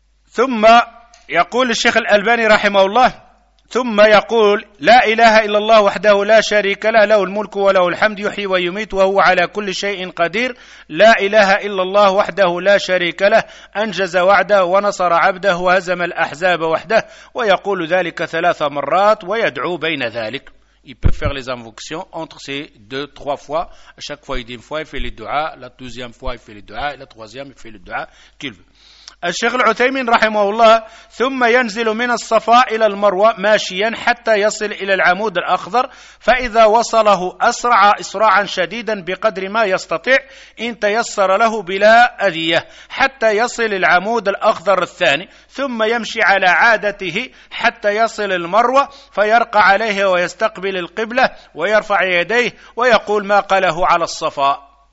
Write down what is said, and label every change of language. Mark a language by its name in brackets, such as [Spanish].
[Arabic] ثم يقول الشيخ الألباني رحمه الله ثم يقول لا إله إلا الله وحده لا شريك له له الملك وله الحمد يحيي ويميت وهو على كل شيء قدير. لا إله إلا الله وحده لا شريك له أنجز وعده ونصر عبده وهزم الأحزاب وحده ويقول ذلك ثلاث مرات ويدعو بين ذلك. [French] il peut faire les invocations entre ces deux trois fois. à chaque fois il dit une fois il fait les dua, la deuxième fois il fait les dua, la troisième il fait le dua qu'il veut. [Arabic] الشيخ العثيمين رحمه الله ثم ينزل من الصفا إلى المروة ماشيا حتى يصل إلى العمود الأخضر فإذا وصله أسرع إسراعا شديدا بقدر ما يستطيع إن تيسر له بلا أذية حتى يصل العمود الأخضر الثاني ثم يمشي على عادته حتى يصل المروة فيرقى عليه ويستقبل القبلة ويرفع يديه ويقول ما قاله على الصفا